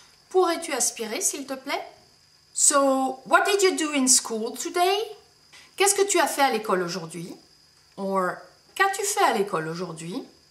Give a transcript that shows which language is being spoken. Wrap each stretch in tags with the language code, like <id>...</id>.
<fr>Pourrais-tu aspirer, s'il te plaît?</fr> <en>So, what did you do in school today?</en> <fr>Qu'est-ce que tu as fait à l'école aujourd'hui? Or, qu'as-tu fait à l'école aujourd'hui?</fr>